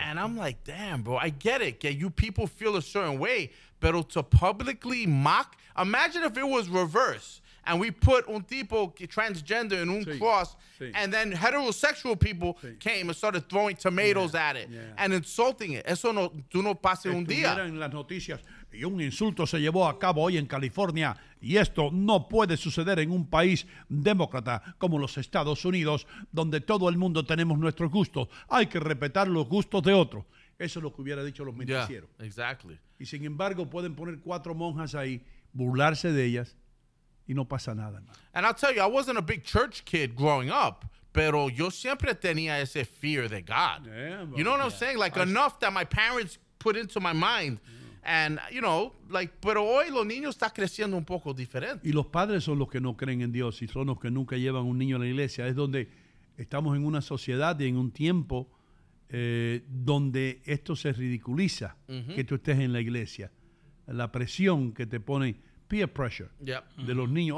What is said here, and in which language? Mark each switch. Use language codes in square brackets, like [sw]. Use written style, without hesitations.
[en] And I'm like, damn, bro, I get it. Yeah, you people feel a certain way, but to publicly mock, imagine if it was reverse and we put [es] un tipo [en] transgender in un cross, and then heterosexual people came and started throwing tomatoes at it and insulting it. [es] Eso no, tú no pases un día. Estuvieron en las noticias y un insulto se llevó a cabo hoy en California. Y esto no puede suceder en un país demócrata como los Estados Unidos, donde todo el mundo tenemos nuestros gustos. Hay que respetar los gustos de otros. Eso es lo que hubiera dicho los noticieros. [en] Yeah, exactly. [es] Y sin embargo, pueden poner cuatro monjas ahí, burlarse de ellas, y no pasa nada, hermano. [en] And I'll tell you, I wasn't a big church kid growing up, [es] pero yo siempre tenía ese [en] fear de God. You know what I'm saying? Like, enough that my parents put into my mind. And, you know, like, [es] pero hoy los niños están creciendo un poco diferente. Y los padres son los que no creen en Dios, y son los que nunca llevan un niño a la iglesia. Es donde estamos en una sociedad y en un tiempo donde esto se ridiculiza, que tú estés en la iglesia. La presión que te pone, [en] peer pressure, [es] de los niños.